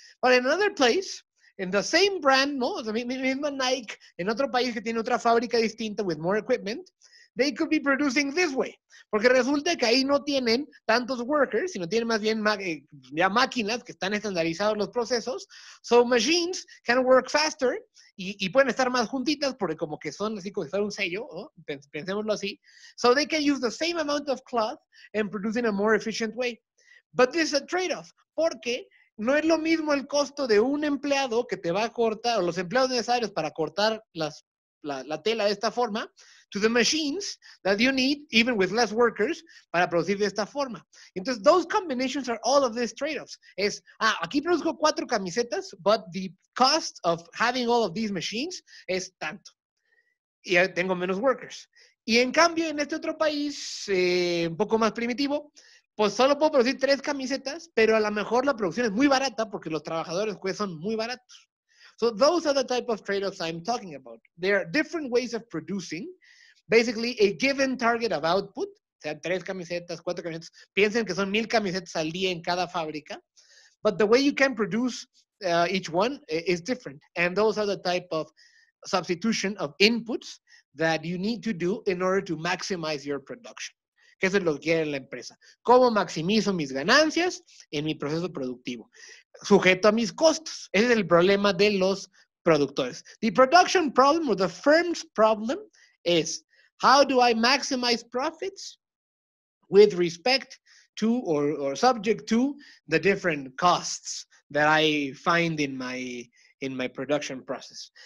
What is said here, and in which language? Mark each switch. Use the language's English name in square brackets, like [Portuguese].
[English] But in another place, in the same brand, no, [Spanish] o sea, misma Nike, en otro país que tiene otra fábrica distinta [English] with more equipment, they could be producing this way. [Spanish] Porque resulta que ahí no tienen tantos workers, sino tienen más bien ya máquinas que están estandarizados los procesos. [English] So machines can work faster [Spanish] y pueden estar más juntitas porque como que son así como si fuera un sello, ¿no? Pensémoslo así. [English] So they can use the same amount of cloth and produce in a more efficient way. But this is a trade-off. [Spanish] Porque no es lo mismo el costo de un empleado que te va a cortar, o los empleados necesarios para cortar la tela de esta forma, [English] to the machines that you need, even with less workers, [Spanish] para producir de esta forma. Entonces, [English] those combinations are all of these trade-offs. [Spanish] Es, aquí produzco 4 camisetas, [English] but the cost of having all of these machines [Spanish] es tanto. Y tengo menos workers. Y en cambio, en este otro país, un poco más primitivo, pues solo puedo producir 3 camisetas, pero a lo mejor la producción es muy barata porque los trabajadores pues son muy baratos. [English] So those are the type of trade-offs I'm talking about. There are different ways of producing, basically, a given target of output, [Spanish] o sea, 3 camisetas, 4 camisetas, piensen que son 1,000 camisetas al día en cada fábrica, [English] but the way you can produce each one is different. And those are the type of substitution of inputs that you need to do in order to maximize your production. [Spanish] ¿Qué es lo que quiere la empresa? ¿Cómo maximizo mis ganancias en mi proceso productivo? Sujeto a mis costos. Ese es el problema de los productores. [English] The production problem or the firm's problem is how do I maximize profits with respect to or subject to the different costs that I find in my production process.